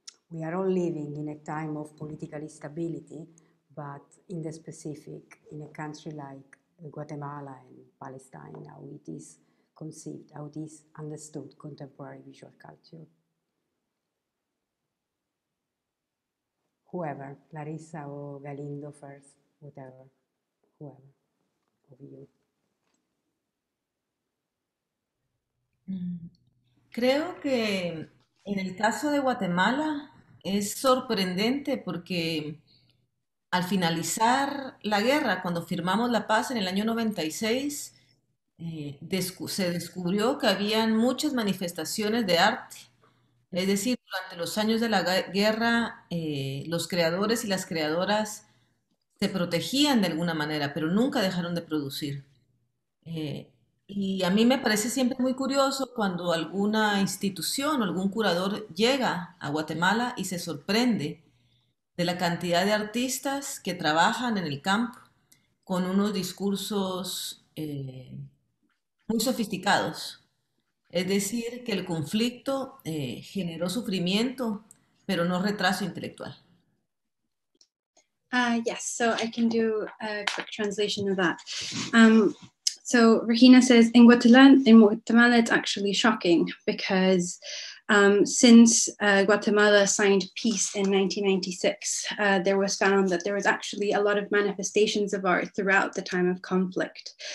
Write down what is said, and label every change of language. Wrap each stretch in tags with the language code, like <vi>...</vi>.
<en>We are all living in a time of political instability, but in the specific, in a country like Guatemala and Palestine, how it is conceived, how it is understood, contemporary visual culture. Whoever, Larissa or Galindo first, whatever, whoever of you.</en> <es>Creo que en el caso de Guatemala es sorprendente porque al finalizar la guerra, cuando firmamos la paz en el año 96, se descubrió que habían muchas manifestaciones de arte. Es decir, durante los años de la guerra, los creadores y las creadoras se protegían de alguna manera, pero nunca dejaron de producir. Y a mí me parece siempre muy curioso cuando alguna institución o algún curador llega a Guatemala y se sorprende de la cantidad de artistas que trabajan en el campo con unos discursos muy sofisticados. Es decir, que el conflicto generó sufrimiento, pero no retraso intelectual.</es> <en>Yes, so I can do a quick translation of that. So Regina says, in Guatemala, it's actually shocking because since Guatemala signed peace in 1996, there was found that there was actually a lot of manifestations of art throughout the time of conflict.</en>